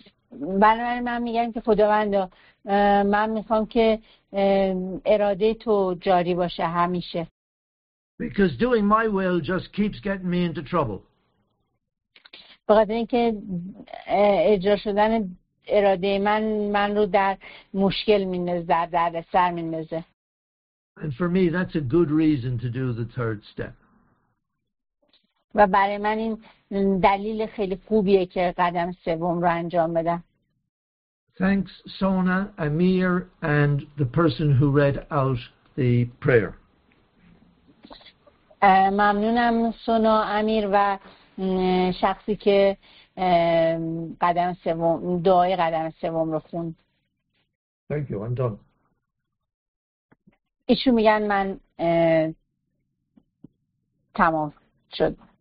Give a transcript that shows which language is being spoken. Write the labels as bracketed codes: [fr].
[fa] بنابراین من میگم که خداوند من میخوام که اراده تو جاری باشه همیشه. [en] Because doing my will just keeps getting me into trouble. [fa] بخاطر اینکه اجرا شدن اراده من من رو در مشکل میندازه، در دردسر میندازه. [en] And for me that's a good reason to do the third step. [fa] و برای من این دلیل خیلی خوبیه که قدم سوم رو انجام بدم. [en] Thanks Sona, Amir and the person who read out the prayer. [fa] ممنونم سونا، امیر و شخصی که قدم سوم دعای قدم سوم رو خوند. [en] Thank you, I'm done. [fa] ایشون میگن من تمام شد.